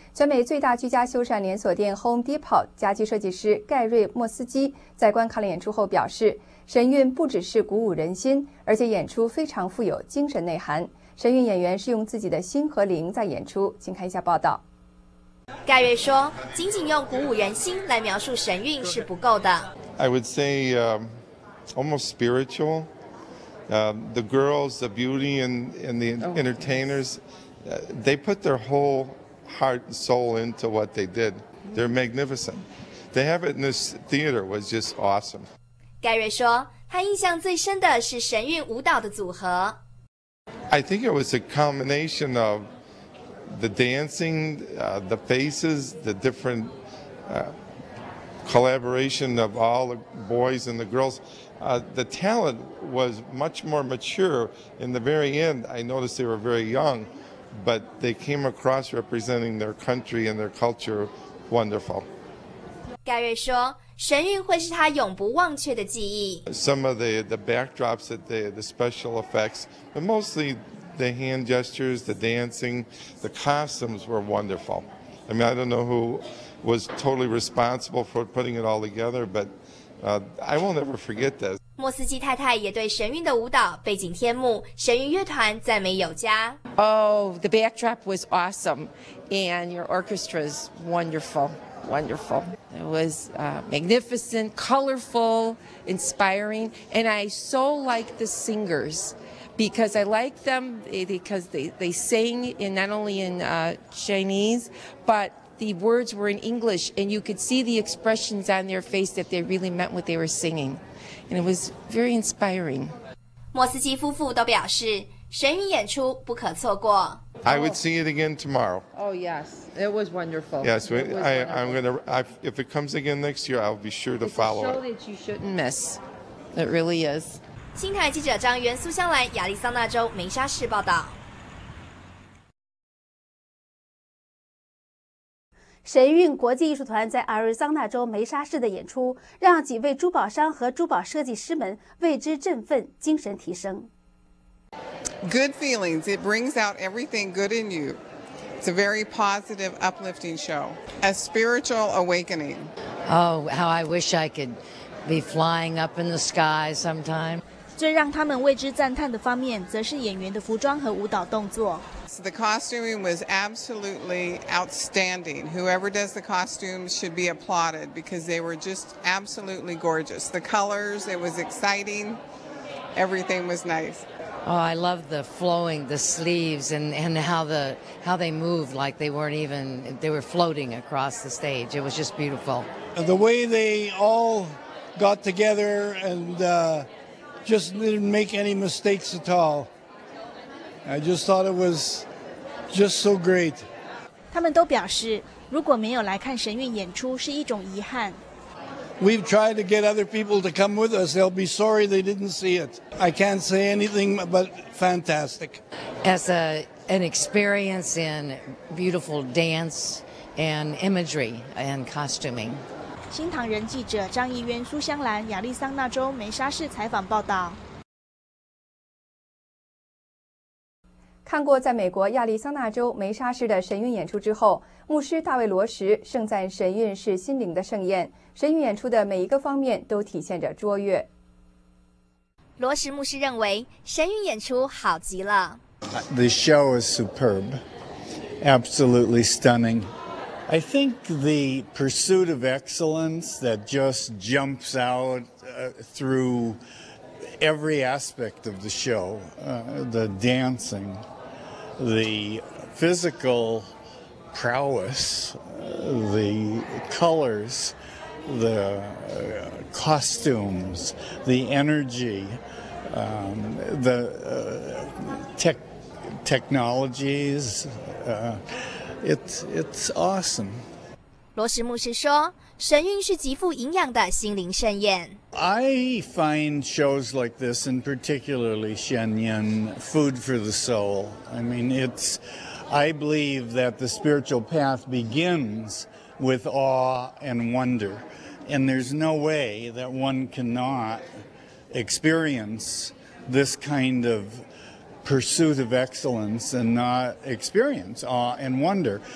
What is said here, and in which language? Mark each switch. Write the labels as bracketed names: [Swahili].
[Chinese] 全美最大居家修缮连锁店 Home Depot 家居设计师盖瑞·莫斯基在观看了演出后表示，神韵不只是鼓舞人心，而且演出非常富有精神内涵。神韵演员是用自己的心和灵在演出，请看一下报道。盖瑞说，仅仅用鼓舞人心来描述神韵是不够的。 [English] I would say,almost spiritual. The girls, the beauty and the entertainers, they put their whole heart and soul into what they did. They're magnificent. to have it in this theater was just awesome. [Chinese] 盖瑞说，他印象最深的是神韵舞蹈的组合。 [English] I think it was a combination of the dancing, the faces, the different collaboration of all the boys and the girls. The talent was much more mature. In the very end, I noticed they were very young, but they came across representing their country and their culture wonderful. [Chinese] 盖瑞说，神韵会是他永不忘却的记忆。 [English] Some of the backdrops, that the special effects, but mostly the hand gestures, the dancing, the costumes were wonderful. I mean, I don't know who was totally responsible for putting it all together, but I will never forget this. [Chinese] 莫斯基太太也对神韵的舞蹈背景天幕、神韵乐团赞美有加。 [English] Oh, the backdrop was awesome, and your orchestra is wonderful. Wonderful. It was magnificent, colorful, inspiring, and I so like the singers because I like them because they sang in not only in Chinese, but the words were in English, and you could see the expressions on their face that they really meant what they were singing, and it was very inspiring. [Chinese] 莫斯基夫妇都表示神韵演出不可错过。 [English] I would see it again tomorrow. Oh, yes. It was wonderful. Yes, if it comes again next year, I'll be sure to follow it. It's a show that you shouldn't miss. It really is. [Chinese] 新台记者张元苏香兰，亚利桑那州梅沙市报道。神韵国际艺术团在亚利桑那州梅沙市的演出，让几位珠宝商和珠宝设计师们为之振奋，精神提升。 [English] Good feelings. It brings out everything good in you. It's a very positive, uplifting show. A spiritual awakening. Oh, how I wish I could be flying up in the sky sometime. [Chinese] 最让他们为之赞叹的方面，则是演员的服装和舞蹈动作。 [English] So the costuming was absolutely outstanding. Whoever does the costumes should be applauded because they were just absolutely gorgeous. The colors, it was exciting. Everything was nice. Oh, I love the flowing, the sleeves, and how they moved like they weren't even, they were floating across the stage. It was just beautiful. And the way they all got together and just didn't make any mistakes at all. I just thought it was just so great. [Chinese] 他们都表示，如果没有来看神韵演出是一种遗憾。 [English] We've tried to get other people to come with us. They'll be sorry they didn't see it. I can't say anything but fantastic. As an experience in beautiful dance and imagery and costuming. [Chinese] 新唐人记者张怡渊、苏香兰，亚利桑那州梅沙市采访报道。看过在美国亚利桑那州梅沙市的神韵演出之后，牧师大卫·罗什盛赞神韵是心灵的盛宴，神韵演出的每一个方面都体现着卓越。罗什牧师认为神韵演出好极了。 [English] The show is superb, absolutely stunning. I think the pursuit of excellence that just jumps out through every aspect of the show, the dancing, the physical prowess, the colors, the costumes, the energy, the technologies, it's awesome. [Chinese] 罗什牧师说，神韵是极富营养的心灵盛宴。 [English] I find shows like this, and particularly Shen Yin, food for the soul. I mean, I believe that the spiritual path begins with awe and wonder. And there's no way that one cannot experience this kind of pursuit of excellence and not experience awe and wonder.